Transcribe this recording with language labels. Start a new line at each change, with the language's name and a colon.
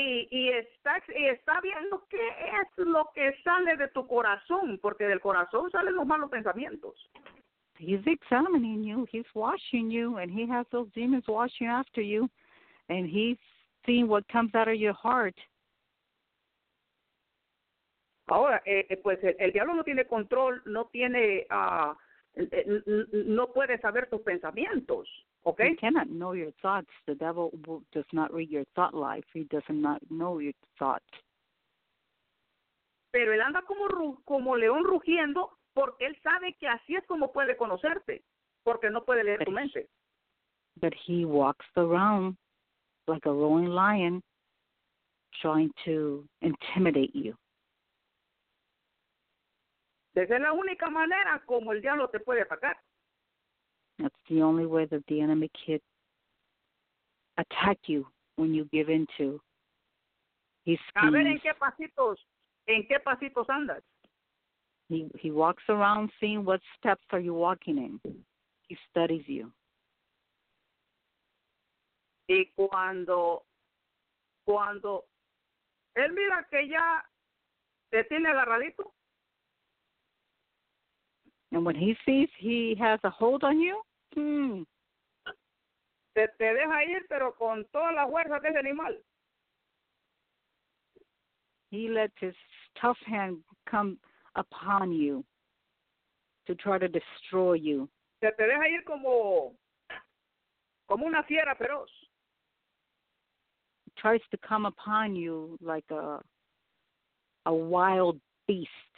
Spanish: Y está viendo qué es lo que sale de tu corazón, porque del corazón salen los malos pensamientos.
English: He's examining you, he's watching you, and he has those demons watching after you, and he's seeing what comes out of your heart.
Spanish: Ahora, pues el diablo no tiene control, no puede saber tus pensamientos.
English: Okay. He cannot know your thoughts. The devil does not read your thought life. He does not know your thoughts.
Spanish: Pero él anda como león rugiendo porque él sabe que así es como puede conocerte, porque no puede leer tu mente.
English: But he walks around like a roaring lion trying to intimidate you.
Spanish: Esa es la única manera como el diablo te puede atacar.
English: That's the only way that the enemy can attack you when you give in to his schemes.
Spanish: A ver, ¿en qué pasitos andas?
English: He walks around seeing what steps are you walking in. He studies you.
Spanish: Y cuando él mira que ya te tiene agarradito.
English: And when he sees he has a hold on you,
Spanish: Te deja ir, pero con toda la fuerza de ese animal.
English: He lets his tough hand come upon you to try to destroy you.
Spanish: Te deja ir como una fiera feroz.
English: He tries to come upon you like a wild beast.